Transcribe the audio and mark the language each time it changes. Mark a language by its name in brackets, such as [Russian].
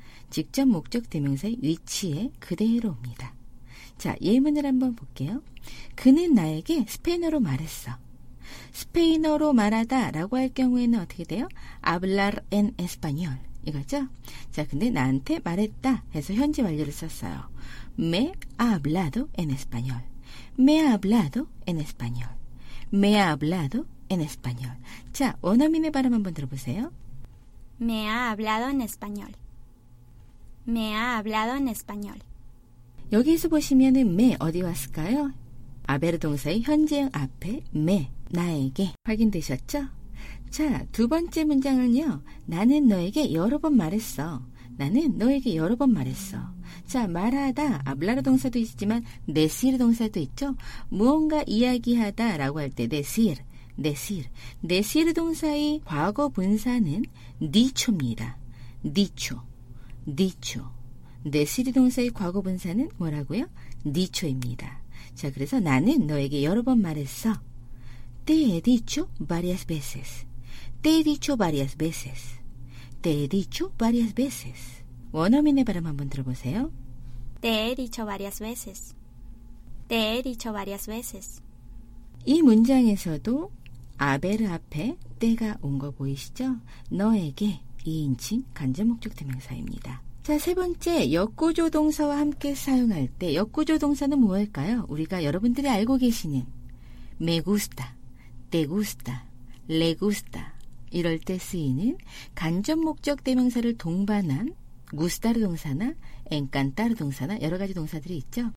[Korean] 직접 목적 대명사의 위치에 그대로 옵니다. 자, 예문을 한번 볼게요. 그는 나에게 스페인어로 말했어. 스페인어로 말하다 라고 할 경우에는 어떻게 돼요? [Spanish] Hablar en español. [Korean] 이거죠? 자, 근데 나한테 말했다 해서 현재 완료를 썼어요. [Spanish] Me ha hablado en español. Me ha hablado en español. Me ha hablado en español. [Korean] 자, 원어민의 발음 한번 들어보세요. [Spanish] Me ha hablado en español. Me ha hablado en español. [Korean] 여기서 보시면은 me 어디 왔을까요? 아베르 동사의 현재형 앞에 me. 나에게 확인되셨죠? 자, 두 번째 문장은요. 나는 너에게 여러 번 말했어. 나는 너에게 여러 번 말했어. 자, 말하다. 아블라르 동사도 있지만 decir 동사도 있죠? 무언가 이야기하다 라고 할 때 decir. [Spanish] decir. [Korean] decir 동사의 과거 분사는 dicho입니다. [Spanish] dicho. dicho. [Korean] decir 동사의 과거 분사는 뭐라고요? dicho입니다. 자, 그래서 나는 너에게 여러 번 말했어. [Spanish] Te he dicho varias veces. Te he dicho varias veces. Te he dicho varias veces. [Korean] 원어민의 발음 한번 들어보세요. [Spanish] Te he dicho varias veces. Te he dicho varias veces. [Korean] 이 문장에서도 아벨 앞에 때가 온 거 보이시죠? 너에게 2인칭 간접 목적 대명사입니다. 자, 세 번째 역구조 동사와 함께 사용할 때 역구조 동사는 무엇일까요? 우리가 여러분들이 알고 계시는 [Spanish] me gusta. Te gusta, le gusta [Korean] 이럴 때 쓰이는 간접 목적 대명사를 동반한 gustar 동사나 encantar 동사나 여러 가지 동사들이 있죠.